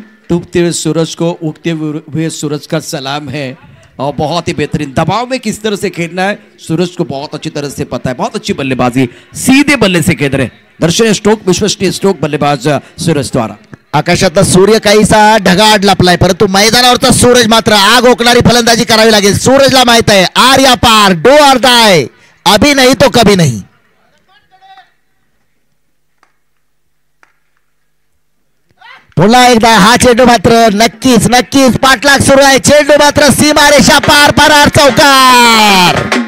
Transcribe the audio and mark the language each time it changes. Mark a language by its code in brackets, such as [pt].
[hi] डूबते हुए सूरज को उगते हुए सूरज का सलाम है, और बहुत ही बेहतरीन दबाव में किस तरह से खेलना है सूरज को बहुत अच्छी तरह से पता है। बहुत अच्छी बल्लेबाजी, सीधे बल्ले से खेल रहे, दर्शन स्ट्रोक, विश्वसनीय स्ट्रोक बल्लेबाज सूरज द्वारा। [mr] आकाशातला सूर्य काहीसा ढगाळ लपलाय, परंतु मैदानावरचा सूरज मात्र आग ओकणारी फलंदाजी करावी लागेल। सूरजला माहित आहे आर या पार, [en] do or die, [hi] अभी नहीं तो कभी नहीं। [mr] पुन्हा एकदा हा चेंडू मात्र नक्कीच नक्कीच पाठलाग सुरू आहे, चेंडू मात्र सीमारेषा पार, परार चौकार।